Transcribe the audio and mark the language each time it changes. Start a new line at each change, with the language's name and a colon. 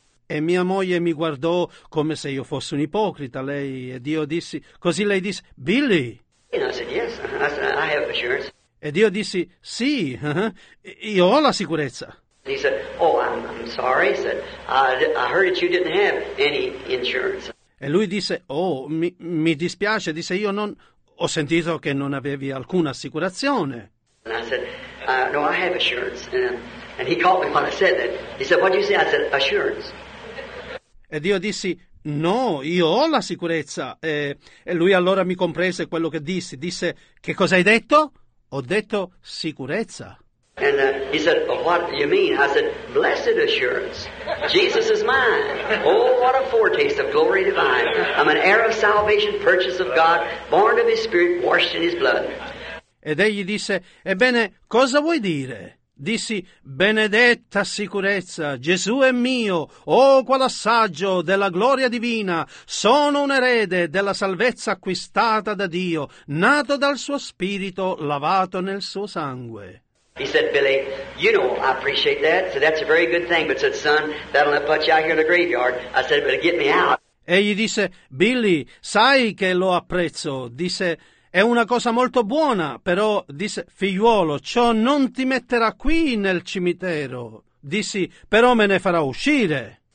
Italian: E mia moglie mi guardò come se io fossi un ipocrita, lei, ed io dissi, così lei disse, Billy?
English: I said, yes, I have assurance.
Italian: Ed io dissi, sì, io ho la sicurezza.
English: He said, oh, I'm sorry, he said, I heard that you didn't have any insurance.
Italian: E lui disse, oh, mi dispiace, disse, io non, ho sentito che non avevi alcuna assicurazione.
English: And I said, no, I have assurance. And he caught me when I said that. He said, what did you say? I said, assurance.
Italian: Ed io dissi, no, io ho la sicurezza. E lui allora mi comprese quello che dissi. Disse, che cosa hai detto? Ho detto, sicurezza.
English: And he said, well, what do you mean? I said, blessed assurance. Jesus is mine. Oh, what a foretaste of glory divine. I'm an heir of salvation, purchase of God, born of his spirit, washed in his blood.
Italian: Ed egli disse, ebbene, cosa vuoi dire? Dissi, benedetta sicurezza, Gesù è mio, oh qual assaggio della gloria divina, sono un erede della salvezza acquistata da Dio, nato dal suo spirito, lavato nel suo sangue.
English: He said, Billy, you know, I appreciate that, so that's a very good thing, but said, son, that'll not put you out here in the graveyard. I said, but get me out.
Italian: Egli disse, Billy, sai che lo apprezzo, disse, è una cosa molto buona, però, disse, figliuolo, ciò non ti metterà qui nel cimitero. Dissi, però me ne farà uscire.